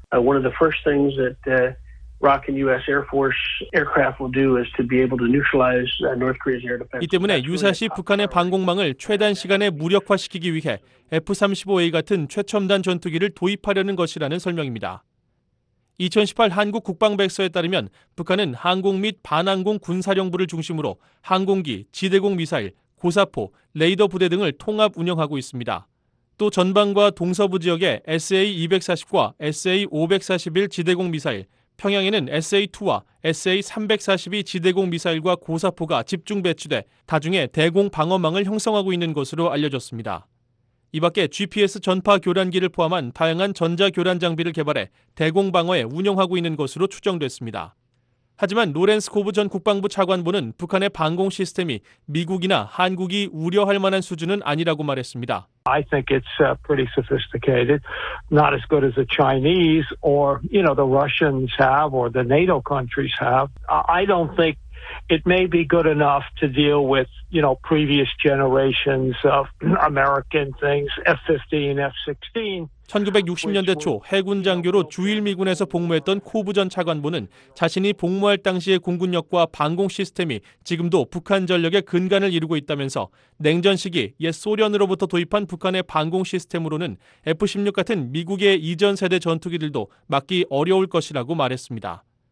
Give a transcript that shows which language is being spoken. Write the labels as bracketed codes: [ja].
[en] One of the first things that ROC and U.S. Air Force aircraft will do is to be able to neutralize North Korea's air defense. [ko] 이 때문에 유사시 북한의 방공망을 최단 시간에 무력화시키기 위해 F-35A 같은 최첨단 전투기를 도입하려는 것이라는 설명입니다. 2018 한국 국방백서에 따르면 북한은 항공 및 반항공 군사령부를 중심으로 항공기, 지대공 미사일, 고사포, 레이더 부대 등을 통합 운영하고 있습니다. 또 전방과 동서부 지역에 SA-249와 SA-541 지대공 미사일, 평양에는 SA-2와 SA-342 지대공 미사일과 고사포가 집중 배치돼 다중의 대공 방어망을 형성하고 있는 것으로 알려졌습니다. 이 밖에 GPS 전파 교란기를 포함한 다양한 전자 교란 장비를 개발해 대공 방어에 운용하고 있는 것으로 추정됐습니다. 하지만 로렌스 코브 전 국방부 차관보는 북한의 방공 시스템이 미국이나 한국이 우려할 만한 수준은 아니라고 말했습니다. [en] I think it's pretty sophisticated. Not as good as the Chinese or, you know, the Russians have or the NATO countries have. I don't think it may be good enough to deal with, you know, previous generations of American things, F-15, F-16. [ko] 1960년대 초 해군 장교로 주일 미군에서 복무했던 코부전 차관보는 자신이 복무할 당시의 공군력과 방공 시스템이 지금도 북한 전력의 근간을 이루고 있다면서 냉전 시기 옛 소련으로부터 도입한 북한의 방공 시스템으로는 F-16 같은 미국의 이전 세대 전투기들도 막기 어려울 것이라고 말했습니다.